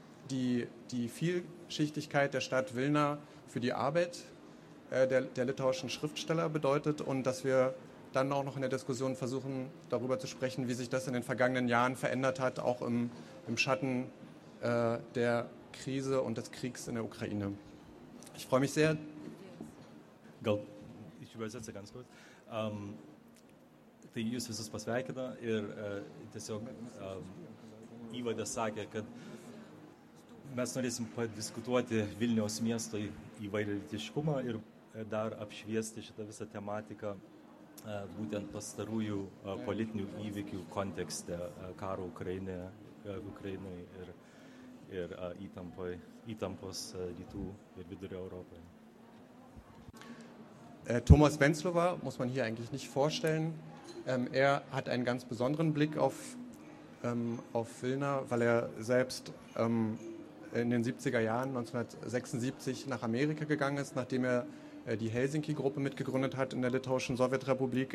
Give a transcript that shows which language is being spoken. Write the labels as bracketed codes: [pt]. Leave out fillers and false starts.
[de] die Vielschichtigkeit der Stadt Vilna für die Arbeit der litauischen Schriftsteller bedeutet und dass wir dann auch noch in der Diskussion versuchen, darüber zu sprechen, wie sich das in den vergangenen Jahren verändert hat, auch im Schatten der Krise und des Kriegs in der Ukraine. Ich freue mich sehr. Ich übersetze ganz kurz. [lt] Tai jūs visus pasveikina ir tiesiog įvadas sakė, kad mes norėsim padiskutuoti Vilniaus miesto įvairialytiškumą ir dar apšviesti šitą visą tematiką būtent pastarųjų politinių įvykių kontekste karo Ukrainoje ir įtampos rytų ir vidurio Europoje. [de] Tomas Venclova muss man hier eigentlich nicht vorstellen. Er hat einen ganz besonderen Blick auf Vilna, weil er selbst in den 70er Jahren, 1976, nach Amerika gegangen ist, nachdem er die Helsinki-Gruppe mitgegründet hat in der litauischen Sowjetrepublik.